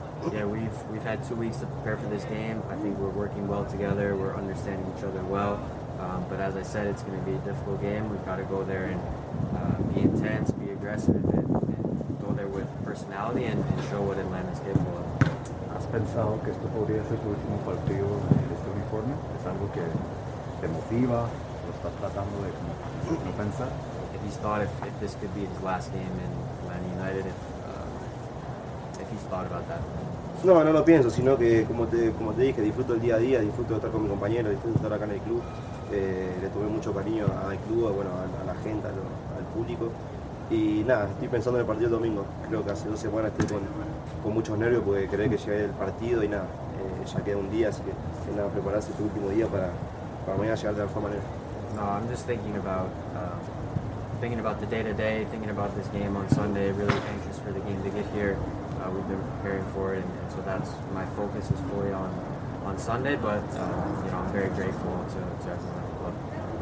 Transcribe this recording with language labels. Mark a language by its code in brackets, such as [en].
[en] Yeah, we've had 2 weeks to prepare for this game. I think we're working well together, we're understanding each other well. But as I said, it's going to be a difficult game. We've got to go there and be intense, be aggressive, and go there with personality and show what Atlanta's capable of. [es] ¿Has pensado que esto podría ser tu último partido en este uniforme? ¿Es algo que te motiva? ¿Lo estás tratando de no pensar? [en] If he's thought if this could be his last game in Atlanta United, if he's thought about that. [es] No, no lo pienso, sino que como te dije, disfruto el día a día, disfruto de estar con mi compañero, disfruto de estar acá en el club. Le tomé mucho cariño al club, bueno, a la gente, al público. Y nada, estoy pensando en el partido el domingo. Creo que hace 12 semanas estoy con muchos nervios porque creí que llegué el partido y nada. Ya queda un día, así que nada, prepararse este último día para mañana llegar de la mejor manera. [en] No, I'm just thinking about the day-to-day, thinking about this game on Sunday, really anxious for the game to get here. We've been preparing for it, and so that's my focus is fully on Sunday, but I'm very grateful to everyone at the club.